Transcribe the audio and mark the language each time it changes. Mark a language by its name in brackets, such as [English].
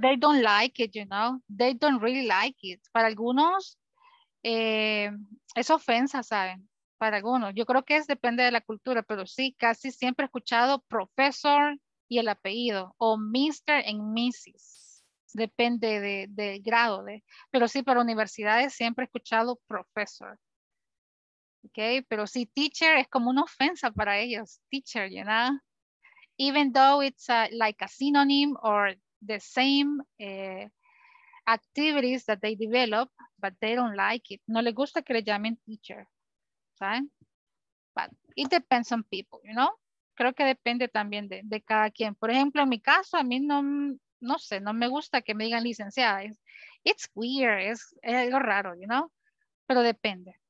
[English] They don't like it, you know, they don't really like it. [Spanish] Para algunos es ofensa, ¿saben? Para algunos, yo creo que depende de la cultura, pero sí, casi siempre he escuchado profesor, y el apellido, o Mr. and Mrs. Depende del grado, de, pero sí, para universidades siempre he escuchado professor. Okay, pero sí, teacher es como una ofensa para ellos, teacher, [English] you know? Even though it's a, like a synonym or the same activities that they develop, but they don't like it. [Spanish] No les gusta que le llamen teacher, ¿saben? [English] But it depends on people, you know? [Spanish] Creo que depende también de cada quien. Por ejemplo, en mi caso, a mí no, no sé, no me gusta que me digan licenciada. [English] It's weird, [Spanish] es algo raro, [English] you know? [Spanish] Pero depende.